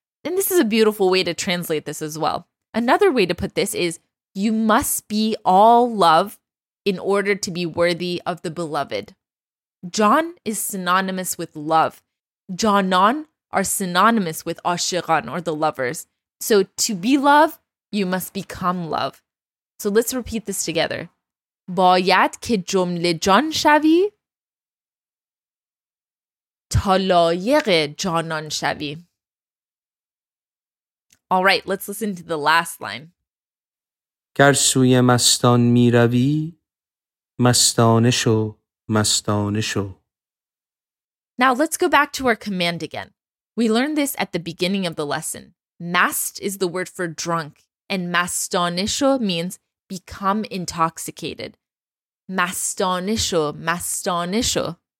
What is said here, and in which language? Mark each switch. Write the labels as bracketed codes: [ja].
[en] And this is a beautiful way to translate this as well. Another way to put this is, you must be all love in order to be worthy of the beloved. جان is synonymous with love. جانان are synonymous with عاشقان or the lovers. So to be love, you must become love. So let's repeat this together. [fa] باید که جمله جان شوی تا لایق جانان شوی. [en] All right, let's listen to the last line. [fa] گر سوی مستان می روی، مستانه شو، مستانه شو. [en] Now let's go back to our command again. We learned this at the beginning of the lesson. Mast is the word for drunk, and [fa] مستانه شو [en] means become intoxicated. [fa] مستانه شو، مستانه شو.